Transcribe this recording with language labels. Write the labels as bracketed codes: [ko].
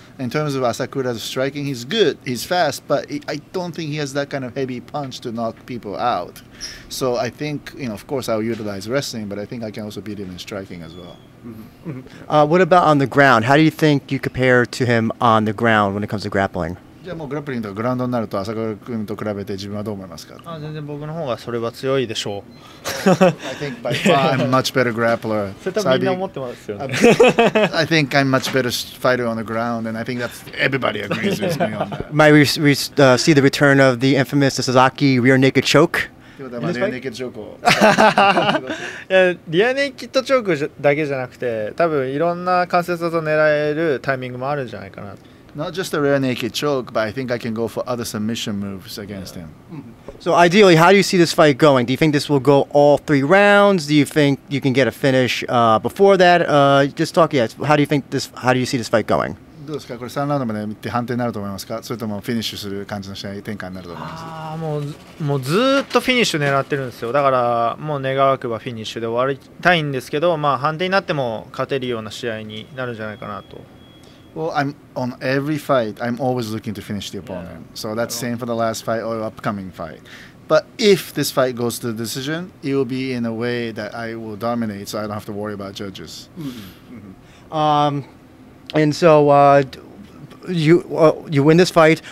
[en] In terms of Asakura's striking, he's good, he's fast, but I don't think he has that kind of heavy punch to knock people out. So I think, you know, of course I'll utilize wrestling, but I think I can also beat him in striking as well. What about on the ground? How do you think you compare to him on the ground when it comes to grappling? [ja] じゃあもうグラップリングとかグラウンドになると朝倉君と比べて自分はどう思いますか？あ、全然僕の方がそれは強いでしょう。 [en] I think by far I'm much better grappler. [ja] それ多分みんな思ってますよね。 [en] I think I'm much better fighter on the ground, and I think that's everybody agrees with me on that. Might we see the return of the infamous Sasaki rear naked choke? [ja] いやリアネイキッドチョークだけじゃなくて、多分いろんな関節技を狙えるタイミングもあるんじゃないかな。 [en] Not just a rear naked choke, but I think I can go for other submission moves against him. So ideally, how do you see this fight going? Do you think this will go all three rounds? Do you think you can get a finish before that? Just talk, yeah, how do you think this, how do you see this fight going? [ja] どうですか、これ3ラウンドまで判定になると思いますか、それともフィニッシュする感じの試合展開になると思います。もうずっとフィニッシュ狙ってるんですよ。だからもう願わくばフィニッシュで終わりたいんですけど、まあ判定になっても勝てるような試合になるんじゃないかなと。 [en] Well, I'm on every fight, I'm always looking to finish the opponent. So that's same for the last fight or upcoming fight. But if this fight goes to the decision, it will be in a way that I will dominate, so I don't have to worry about judges. Mm-hmm. And so you win this fight.